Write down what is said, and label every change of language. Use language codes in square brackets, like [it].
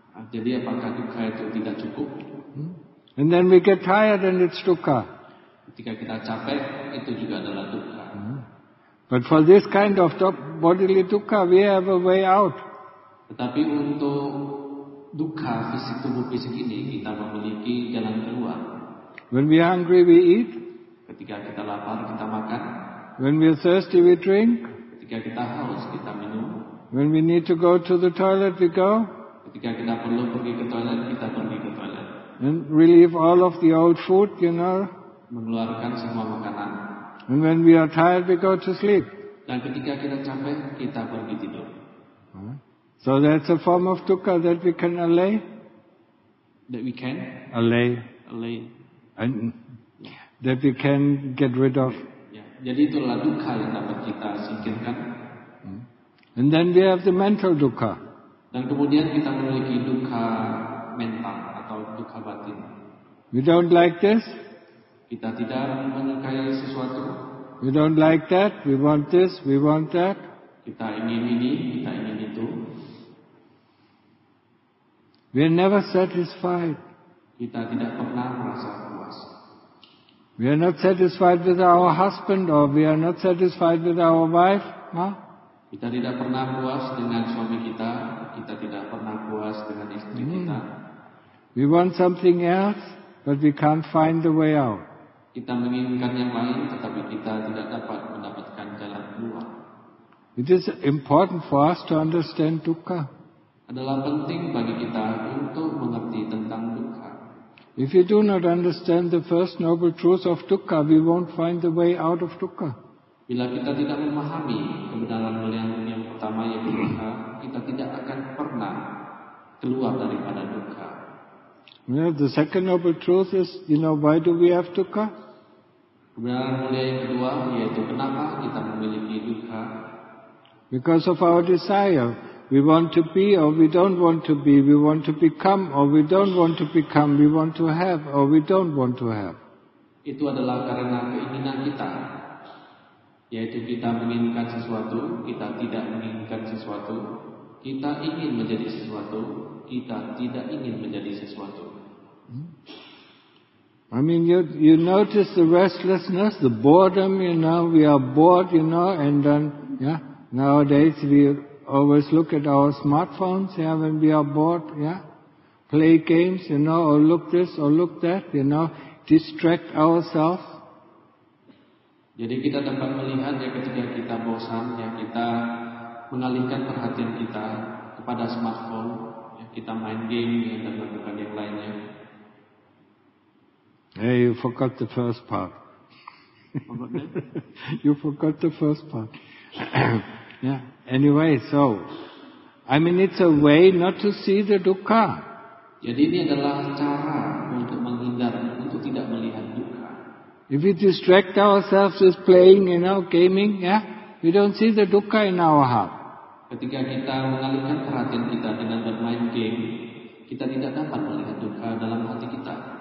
[id] Jadi apakah dukkha itu tidak cukup? [en] And then we get tired and it's dukkha. [id] Ketika kita capek, itu juga adalah dukkha. [en] But for this kind of bodily dukkha, we have a way out. [id] Tetapi untuk dukkha fisik tubuh fisik ini, kita memiliki jalan keluar. [en] When we are hungry, we eat. [id] Ketika kita lapar, kita makan. [en] When we are thirsty, we drink. [id] Ketika kita haus, kita minum. [en] When we need to go to the toilet, we go. [id] Ketika kita perlu pergi ke toilet, kita pergi ke toilet. [en] And relieve all of the old food, you know. [id] Mengeluarkan semua makanan. [en] And when we are tired, we go to sleep. [id] Dan ketika kita capek, kita pergi tidur. [en] So that's a form of dukkha that we can allay. That we can? Allay. Allay. And that we can get rid of. [id] Jadi itulah dukkha yang dapat kita singkirkan. [en] And then we have the mental dukkha. [id] Dan kemudian kita memiliki dukkha mental atau dukkha batin. [en] We don't like this. [id] Kita tidak menyukai sesuatu. [en] We don't like that. We want this. We want that. [id] Kita ingin ini. Kita ingin itu. [en] We are never satisfied. [id] Kita tidak pernah merasa puas. [en] We are not satisfied with our husband, or we are not satisfied with our wife. [id] Kita tidak pernah puas dengan suami kita. Kita tidak pernah puas dengan istri kita. [en] We want something else, but we can't find the way out. [id] Kita menginginkan yang lain, tetapi kita tidak dapat mendapatkan jalan keluar. [en] It is important for us to understand dukkha. [id] Adalah penting bagi kita untuk mengerti tentang dukkha. [en] If you do not understand the first noble truth of dukkha, we won't find the way out of dukkha. [id] Bila kita tidak memahami kebenaran yang pertama yaitu dukkha, kita tidak akan pernah keluar daripada dukkha. [en] The second noble truth is, you know, why do we have dukkha? [id] Kebenaran yang kedua yaitu kenapa kita memiliki dukkha? [en] Because of our desire. We want to be or we don't want to be. We want to become or we don't want to become. We want to have or we don't want to have. [id] Itu adalah karena keinginan kita. Yaitu kita menginginkan sesuatu, kita tidak menginginkan sesuatu. Kita ingin menjadi sesuatu, kita tidak ingin menjadi sesuatu. [en] I mean, you notice the restlessness, the boredom, you know, we are bored, you know, and then, yeah, nowadays we always look at our smartphones, yeah, when we are bored, yeah, play games, you know, or look this or look that, you know, distract ourselves. [id] Jadi kita dapat melihat ya ketika kita bosan, ya kita mengalihkan perhatian kita kepada smartphone, ya kita main game ya, dan melakukan yang lainnya. [en] Hey, you forgot the first part. You forgot the first part. Yeah. Anyway, so I mean, it's a way not to see the dukkha. [id] Jadi ini adalah cara untuk menghindar, untuk tidak melihat dukkha. [en] If we distract ourselves with playing, you know, gaming, yeah, we don't see the dukkha in our heart. [id] Ketika kita mengalihkan perhatian kita dengan bermain game, kita tidak dapat melihat dukkha dalam hati kita.